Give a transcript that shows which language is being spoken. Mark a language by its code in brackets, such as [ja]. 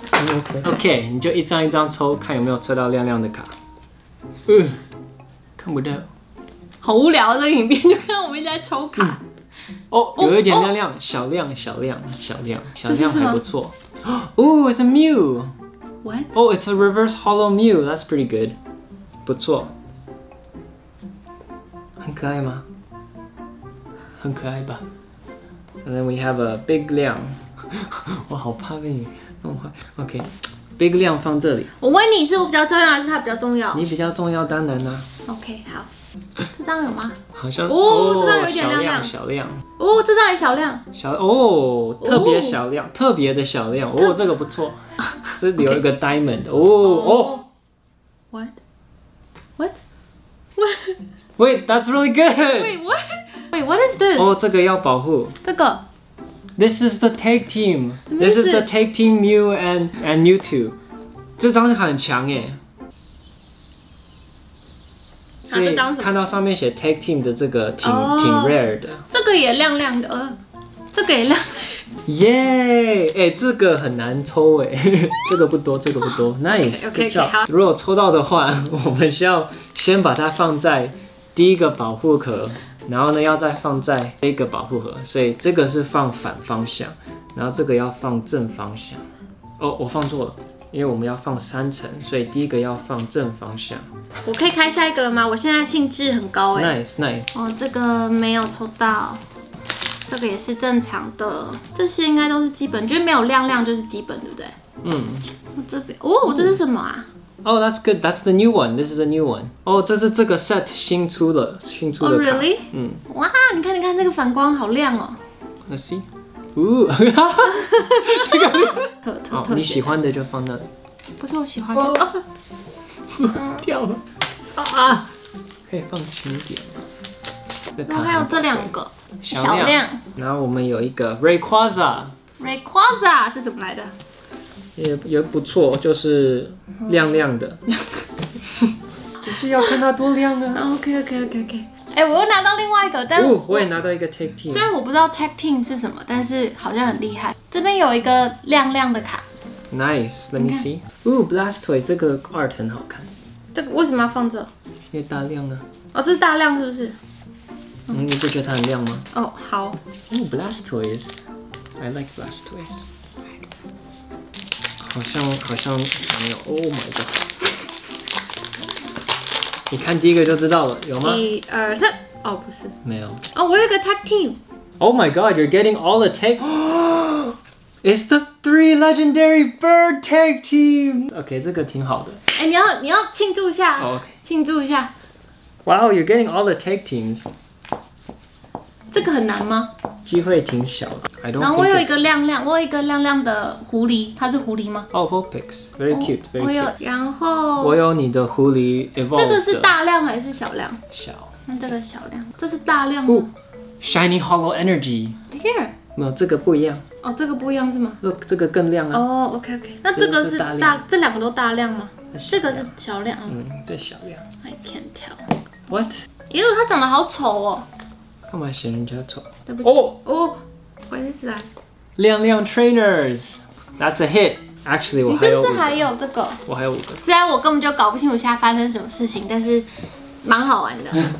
[en] I'm OK。 [zh] OK， 你就一张一张抽，看有没有抽到亮亮的卡。看不到。好无聊的影片，就看我们一直在抽卡。哦，有一点亮亮，小亮，小亮，小亮，小亮还不错。 [en] 哦 ，It's a Mew。 What？ Oh， it's a Reverse Holo Mew. That's pretty good。 [zh] 不错。很可爱吗？很可爱吧。 [en] And then we have a Big Liang。 [zh] 我好怕被你弄坏。 OK， Big Liang放这里。我问你，是我比较重要还是他比较重要？你比较重要，当然啦。 OK， 好。这张有吗？好像哦，这张有点亮亮，小亮。哦，这张也小亮，小哦，特别小亮，哦、特别的小亮。哦，这个不错，这里有一个 diamond 哦。哦哦 [en] ，What? That's really good. Wait, what is this? [zh] 哦，这个要保护。这个。 [en] This is the tag team. This is the tag team Mew and Mewtwo. [zh] 这张很强耶。所以看到上面写 tag team 的这个挺 rare 的，这个也亮亮的，这个也亮，耶！哎，这个很难抽哎，这个不多，这个不多 ，nice。 OK OK 好。如果抽到的话，我们需要先把它放在第一个保护盒，然后呢要再放在这个保护盒，所以这个是放反方向，然后这个要放正方向。哦，我放错了。因为我们要放三层，所以第一个要放正方向。我可以开下一个了吗？我现在兴致很高哎。 [en] Nice nice。 [zh] 哦，这个没有抽到，这个也是正常的。这些应该都是基本，就是没有亮亮就是基本，对不对？嗯。我这边，哦，这是什么啊？ [en] 哦、oh, ，That's good. That's the new one. This is the new one. [zh] 哦、oh, ，这是这个 set 新出的卡。 [en] Oh, really? 嗯。 [zh] 哇，你看这个反光好亮哦。 [en] Let's see. [zh] 哦，这个特好，你喜欢的就放那里。不是我喜欢的。哦啊、掉了。可以放轻一点。然后还有这两个小亮。然后我们有一个 Rayquaza。 Rayquaza 是什么来的？也不错，就是亮亮的。就是要看它多亮啊。 OK。 欸，我又拿到另外一个，但我也拿到一个 Tag Team。虽然我不知道 Tag Team 是什么，但是好像很厉害。这边有一个亮亮的卡，Nice， Let me see。Blastoise 这个 art 很好看。这个为什么要放这？因为大亮啊。哦，是大亮是不是？嗯，你不觉得它很亮吗？哦，好。 [en] Blastoise，I like Blastoise。 [zh] 好像没有。 [en] Oh my god。 [zh] 你看第一个就知道了，有吗？一二三，哦，不是，没有。哦，我有个 tag team。 [en] Oh my god, you're getting all the tag. It's the three legendary bird tag team. [zh] OK, 这个挺好的。哎，你要庆祝一下。 [en] Oh, OK, [zh] 庆祝一下。 [en] Wow, you're getting all the tag teams. [zh] 这个很难吗？机会挺小的。然后我有一个亮亮，我有一个亮亮的狐狸，它是狐狸吗？ [en] 哦 ，Vulpix， very cute， very cute。 [zh] 然后我有你的狐狸 Evolve。这个是大亮还是小亮？小。那这个小亮，这是大亮 [en] 吗 ？Shiny Hollow Energy。 Here。 [zh] 没有，这个不一样。哦，这个不一样是吗？ [en] Look， [zh] 这个更亮啊。 [en] 哦 ，OK。 [zh] 那这个是大，这两个都大亮吗？这个是小亮。嗯，对，小亮。 [en] I can't tell。 What？ [zh] 因为它长得好丑哦。干嘛嫌人家丑？对不起。我认识啊， [en] 亮亮 trainers， that's a hit。 Actually， 我 [zh] 还有。你是不是还有这个？我还有五个。虽然我根本就搞不清楚现在发生什么事情，但是蛮好玩的。